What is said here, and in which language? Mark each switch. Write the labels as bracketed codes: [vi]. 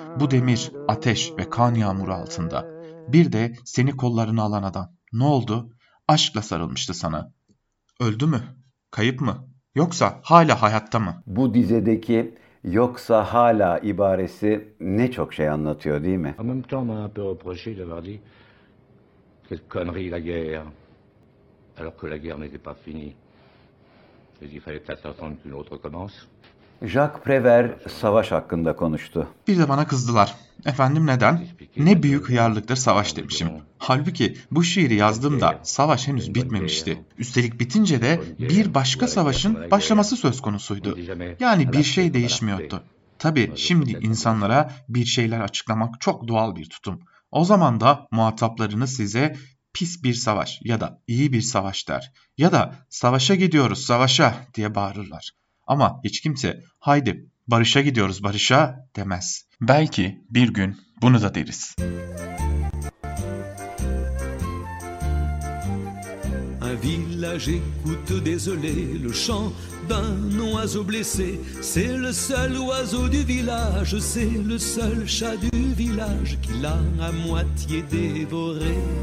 [tr] Bu demir, ateş ve kan yağmuru altında. Bir de seni kollarına alan adam. Ne oldu? Aşkla sarılmıştı sana. Öldü mü? Kayıp mı? Yoksa hala hayatta mı? Bu dizedeki yoksa hala ibaresi ne çok şey anlatıyor değil mi? [fr] En même temps, on a un peu reproché d'avoir dit quelle connerie la guerre, alors que la guerre n'était pas finie. Il fallait peut-être attendre qu'une autre commence. [tr] Jacques Prévert savaş hakkında konuştu. Bir de bana kızdılar. Efendim neden? Ne büyük hıyarlıktır savaş demişim. Halbuki bu şiiri yazdığımda savaş henüz bitmemişti. Üstelik bitince de bir başka savaşın başlaması söz konusuydu. Yani bir şey değişmiyordu. Tabii şimdi insanlara bir şeyler açıklamak çok doğal bir tutum. O zaman da muhataplarını size pis bir savaş ya da iyi bir savaş der. Ya da savaşa gidiyoruz savaşa diye bağırırlar. Ama hiç kimse haydi barışa gidiyoruz barışa demez. Belki bir gün bunu da deriz. [fr] Un village écoute désolé le chant d'un oiseau blessé. C'est le seul oiseau du village, c'est le seul chat du village qui l'a à moitié dévoré.